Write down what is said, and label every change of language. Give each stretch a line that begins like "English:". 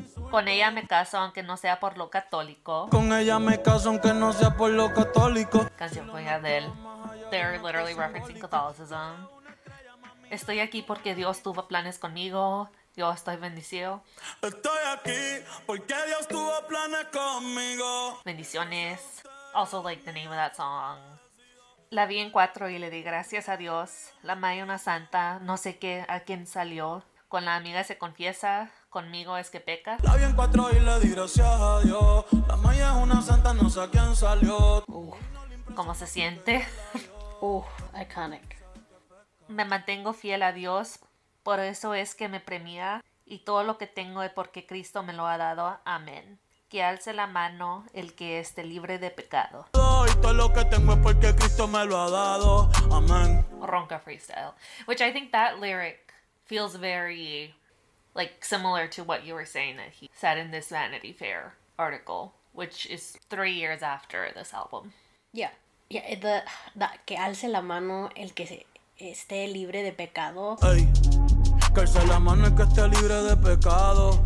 Spanish: Con ella me caso, aunque no sea por lo católico. Con ella me caso, aunque no sea por lo católico. Canción con Adele.
English: They're literally referencing Catholicism.
Spanish: Estoy aquí porque Dios tuvo planes conmigo. Yo estoy bendecido. Estoy aquí porque Dios tuvo planes conmigo. Bendiciones.
English: Also like the name of that song.
Spanish: La vi en 4 y le di gracias a Dios. La maya una santa, no sé qué, a quién salió. Con la amiga se confiesa, conmigo es que peca. La vi en 4 y le di gracias a Dios. La maya es una santa, no sé a quién salió. ¿Cómo se siente?
English: Iconic.
Spanish: Me mantengo fiel a Dios, por eso es que me premia. Y todo lo que tengo es porque Cristo me lo ha dado. Amén. Que alce la mano el que esté libre de pecado. Y todo lo que tengo es porque Cristo me lo ha dado. Amén.
English: Ronca freestyle. Which I think that lyric feels very, like, similar to what you were saying that he said in this Vanity Fair article, which is 3 years after this album. Yeah.
Spanish: Yeah, the que alce la mano el que esté libre de pecado. Hey. Que alce la mano el que esté libre de pecado.